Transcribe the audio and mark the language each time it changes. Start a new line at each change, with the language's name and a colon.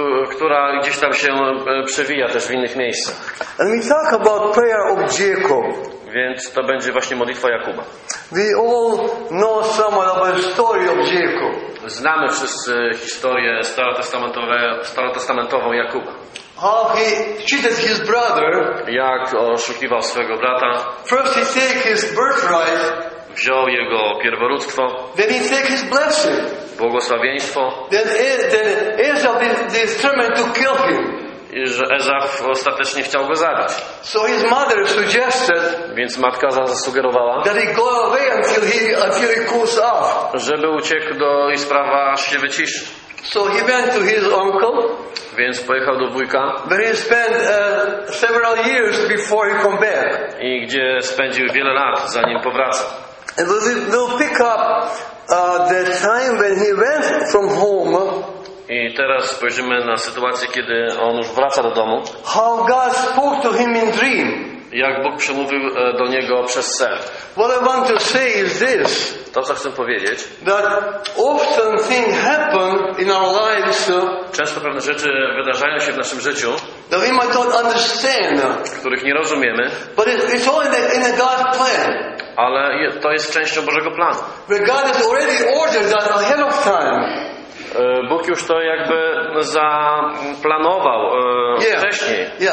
Polish: Która gdzieś tam się przewija też w innych miejscach.
English: And we talk about prayer of Jacob.
Polish: Więc to będzie właśnie modlitwa Jakuba.
English: We all know somewhat about the story of Jacob.
Polish: Znamy wszyscy historię starotestamentową Jakuba.
English: How he cheated his brother.
Polish: Jak oszukiwał swojego brata.
English: First he took his birthright.
Polish: Wziął jego pierworództwo.
English: Then he took his blessing.
Polish: Błogosławieństwo.
English: Then Esau determined to kill him.
Polish: i że Ezaw ostatecznie chciał go zabić.
English: So his mother suggested,
Polish: więc matka zasugerowała,
English: that he go away until he cools off.
Polish: Żeby uciekł do i sprawa aż się wyciszy.
English: So he went to his uncle,
Polish: więc pojechał do wujka,
English: where he spent several years before he came back.
Polish: I gdzie spędził wiele lat, zanim powraca.
English: And we'll pick up the time when he went from home.
Polish: I teraz spojrzymy na sytuację, kiedy on już wraca do domu.
English: How God spoke to him in dream.
Polish: Jak Bóg przemówił do niego przez sen.
English: What I want to say is this.
Polish: To co chcę powiedzieć.
English: That often things happen in our lives.
Polish: Często pewne rzeczy wydarzają się w naszym życiu.
English: That we might not understand.
Polish: Których nie rozumiemy.
English: But it's all in a God plan.
Polish: Ale to jest częścią Bożego planu.
English: But God has already ordered that ahead of time.
Polish: Bóg już to jakby zaplanował wcześniej.